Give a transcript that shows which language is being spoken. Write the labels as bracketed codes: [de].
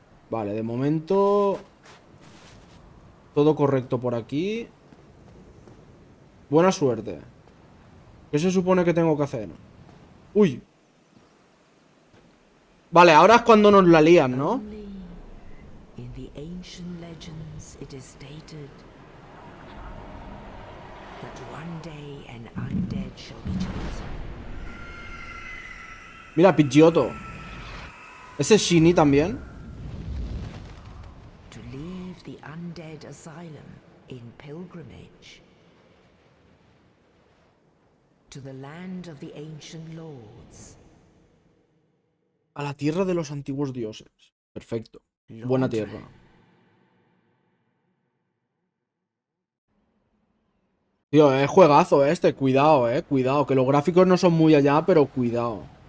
[es] Vale, de momento todo correcto por aquí. Buena suerte. ¿Qué se supone que tengo que hacer? Uy. Vale, ahora es cuando nos la lían, ¿no? [en] In the ancient legends it is stated that one day an undead shall be chosen. [es] Mira, Pidgeotto. Ese es Shinny también. [en] To leave the undead asylum in pilgrimage to the land of the ancient lords. [es] A la tierra de los antiguos dioses. Perfecto. Buena tierra. Tío, es juegazo este. Cuidado, eh. Cuidado. Que los gráficos no son muy allá, pero cuidado.